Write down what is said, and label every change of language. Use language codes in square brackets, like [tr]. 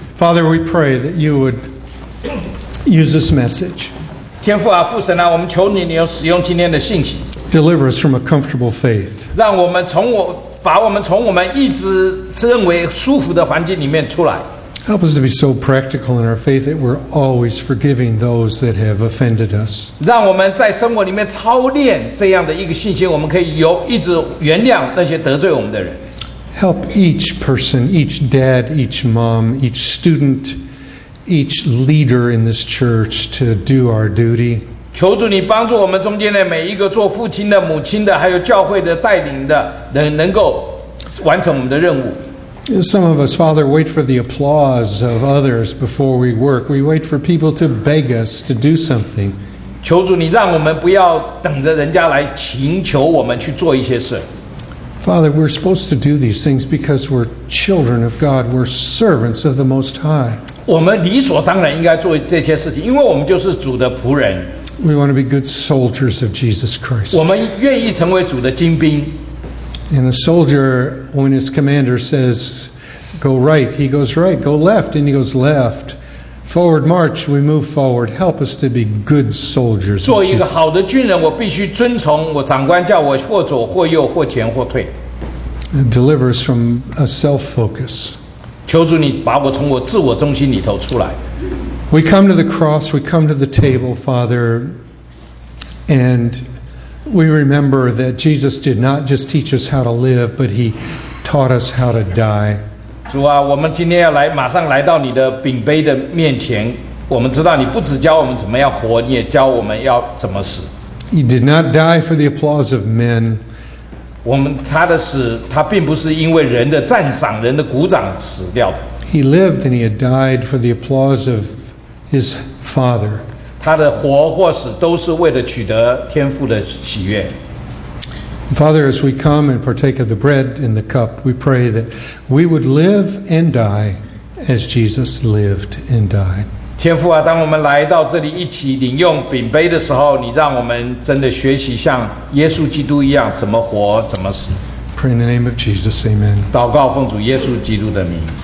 [en] Father, we pray that you would use this message. [zh] 天父啊，父神啊，我们求你，你要使用今天的信息。 [en] Deliver us from a comfortable faith. [zh] 让我们把我们从我们一直认为舒服的环境里面出来。 [en] Help us to be so practical in our faith that we're always forgiving those that have offended us. [zh] 让我们在生活里面操练这样的一个信心，我们可以有一直原谅那些得罪我们的人。 [en] Help each person, each dad, each mom, each student, each leader in this church to do our duty. [zh] 求主你帮助我们中间的每一个做父亲的、母亲的，还有教会的带领的人，能够完成我们的任务。 [en] Some of us, Father, wait for the applause of others before we work. We wait for people to beg us to do something. [zh] 求主你让我们不要等着人家来请求我们去做一些事。 [en] Father, we're supposed to do these things because we're children of God. We're servants of the Most High. [zh] 我们理所当然应该做这些事情，因为我们就是主的仆人。 [en] We want to be good soldiers of Jesus Christ. [zh] 我们愿意成为主的精兵。 [en] And a soldier, when his commander says, go right, he goes right, go left, and he goes left. Forward march, we move forward. Help us to be good soldiers. [zh] 做一个好的军人，我必须遵从我长官叫我或左或右或前或退。 [en] Deliver us from a self-focus. [zh] 求主你把我从我自我中心里头出来。 [en] We come to the cross, we come to the table, Father, and... We remember that Jesus did not just teach us how to live, but he taught us how to die. [zh] 主啊，我们今天要来，马上来到你的饼杯的面前。我们知道你不只教我们怎么样活，你也教我们要怎么死。 [en] He did not die for the applause of men. [zh] 他的死，他并不是因为人的赞赏、人的鼓掌死掉的。 [en] He lived and he had died for the applause of his Father. [zh] 他的活或死都是为了取得天父的喜悦。 [en] Father, as we come and partake of the bread and the cup, we pray that we would live and die as Jesus lived and died. [zh] 天父啊，当我们来到这里一起领用饼杯的时候，你让我们真的学习像耶稣基督一样怎么活，怎么死。 [en] Pray in the name of Jesus, Amen. [zh] 祷告奉主耶稣基督的名。